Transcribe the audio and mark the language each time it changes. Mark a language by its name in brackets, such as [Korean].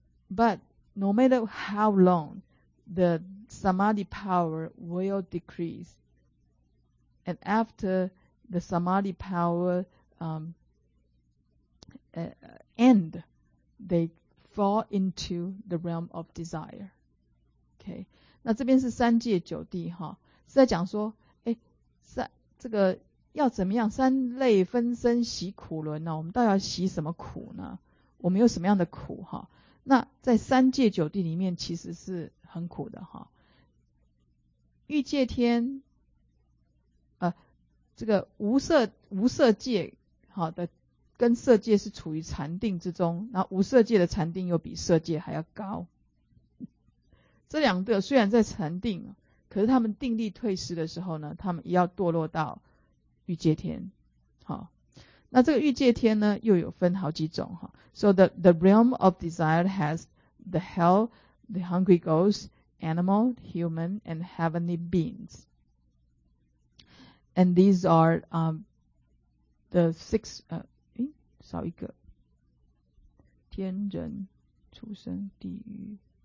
[English] But no matter how long, the samadhi power will decrease. And after the samadhi power end, they fall into the realm of desire. [Chinese] Okay, 那这边是三界九地哈，是在讲说，哎，这个要怎么样？三类分身习苦轮呢？我们到底要习什么苦呢？我们有什么样的苦哈？那在三界九地里面，其实是很苦的哈。欲界天，这个无色界，好的，跟色界是处于禅定之中，那无色界的禅定又比色界还要高。这两个虽然在禅定，可是他们定力退失的时候呢，他们也要堕落到欲界天。好，那这个欲界天呢，又有分好几种哈。 [English] So the realm of desire has the hell, the hungry ghost, animal, human, and heavenly beings. And these are the six. [Chinese] 少一个，天人、畜生、地狱。